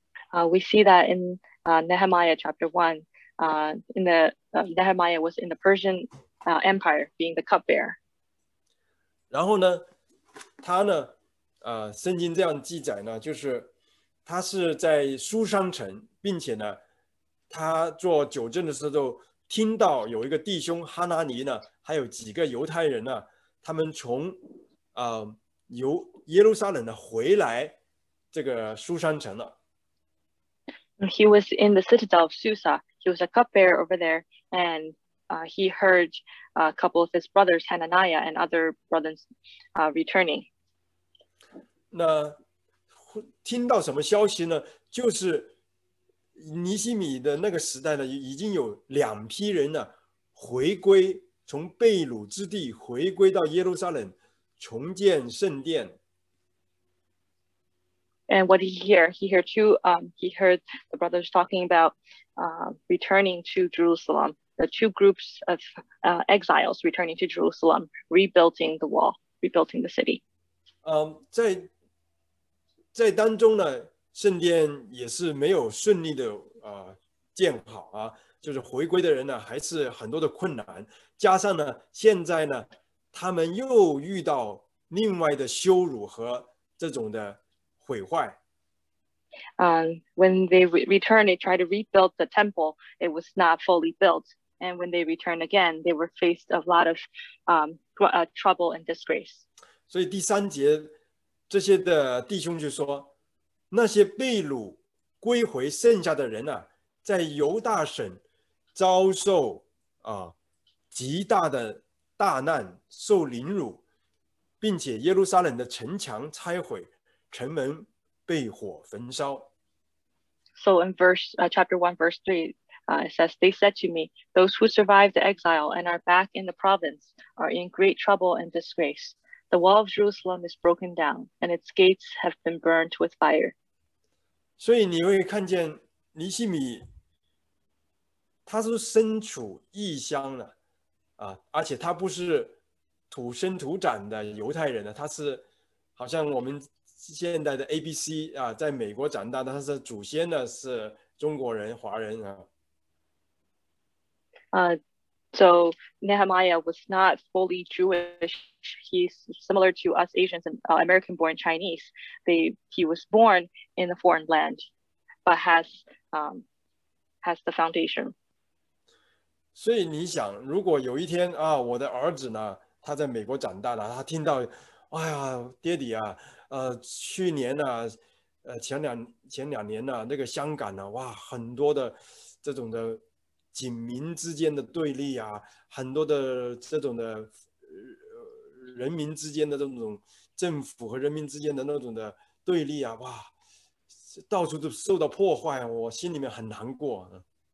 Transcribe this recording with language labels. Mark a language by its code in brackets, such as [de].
[en] We see that in Nehemiah chapter one, Nehemiah was in the Persian Empire, being the cupbearer. [zh] 然后呢，他呢，圣经这样记载呢，就是他是在苏商城，并且呢，他做酒政的时候，听到有一个弟兄哈拿尼呢，还有几个犹太人呢，他们从由耶路撒冷呢回来这个苏商城了。 [en] He was in the citadel of Susa. He was a cupbearer over there, and he heard a couple of his brothers, Hananiah and other brothers, returning. [zh] 那听到什么消息呢？就是尼西米的那个时代呢，已经有两批人呢回归，从被掳之地回归到耶路撒冷，重建圣殿。 [en] And what did he hear? He heard two. He heard the brothers talking about returning to Jerusalem. The two groups of exiles returning to Jerusalem, rebuilding the wall, rebuilding the city. [zh] 在当中呢，圣殿也是没有顺利的建好啊，就是回归的人呢还是很多的困难。加上呢，现在呢，他们又遇到另外的羞辱和这种的毁坏。 [en] When they return, they try to rebuild the temple. It was not fully built, and when they return again, they were faced a lot of trouble and disgrace. [zh] 所以第三节，这些的弟兄就说，那些被掳归回剩下的人呢、啊，在犹大省遭受极大的大难，受凌辱，并且耶路撒冷的城墙拆毁，城门被火焚烧。 [en] So in chapter 1, verse 3, it says, They said to me, Those who survived the exile and are back in the province are in great trouble and disgrace. The wall of Jerusalem is broken down, and its gates have been burned with fire. [zh] 所以你会看见尼西米，他是身处异乡的，而且他不是土生土长的犹太人的，他是好像我们现在的 ABC 啊，在美国长大的，他是祖先呢是中国人、华人啊。 [en] So Nehemiah was not fully Jewish. He's similar to us Asians and American-born Chinese. He was born in a foreign land, but has the foundation. [zh] 所以你想，如果有一天啊，我的儿子呢，他在美国长大了，他听到，哎呀，爹地啊。去年呢、啊，前两年呢、啊，那个香港呢、啊，哇，很多的这种的警民之间的对立啊，很多的这种的人民之间的这种政府和人民之间的那种的对立啊，哇，到处都受到破坏，我心里面很难过、啊。